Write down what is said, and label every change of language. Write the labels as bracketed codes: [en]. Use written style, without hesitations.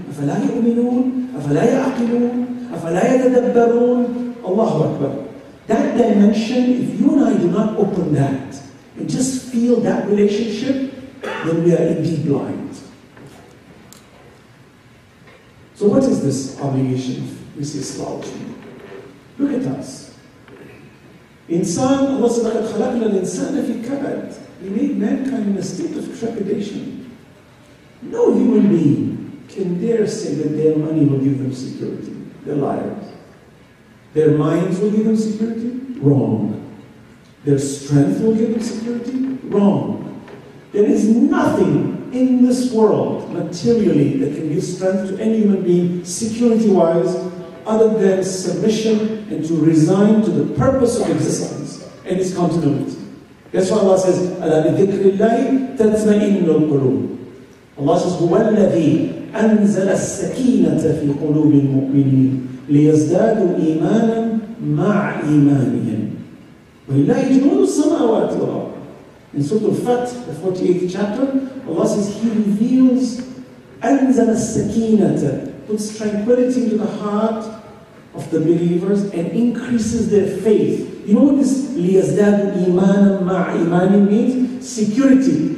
[ar] أَفَلَا يُؤْمِنُونَ أَفَلَا يَعْقِلُونَ أَفَلَا يَتَدَبَّرُونَ. اللَّهُ أَكْبَرُ. [en] That dimension, if you and I do not open that and just feel that relationship, then we are indeed blind. So what is this obligation of this Islam to you? Look at us. [ar] Insan, [en] Allah said, [ar] لَقَدْ خَلَقْنَا الْإِنسَانَ فِي كَبَدٍ. [en] He made mankind in a state of trepidation. No human being can dare say that their money will give them security. They're liars. Their minds will give them security? Wrong. Their strength will give them security? Wrong. There is nothing in this world, materially, that can give strength to any human being, security-wise, other than submission and to resign to the purpose of existence and its continuity. That's why Allah says, [ar] أَلَا لِذِكْرِ اللَّهِ تَتْمَئِنُّ الْقُلُوبِ. [en] Allah says, [ar] هُوَ الَّذِي أَنزَلَ السَّكِينَةَ فِي قُلُوبِ الْمُؤْمِنِينَ لِيَزْدَادُوا إِيمَانًا مَعْ إِيمَانِهِمْ. وَلِلَّهِ جُنُودُ السَّمَاوَاتِ وَالْأَرْضِ. [en] In Surah Al-Fat, the 48th chapter, Allah says, He reveals, [ar] أَنزَلَ السَّكِينَةَ, [en] puts tranquility into the heart of the believers and increases their faith. You know what this [ar] لِيَزْدَادُ إِيمَانًا مَعْ إِيمَانِهِمْ [en] means? Security.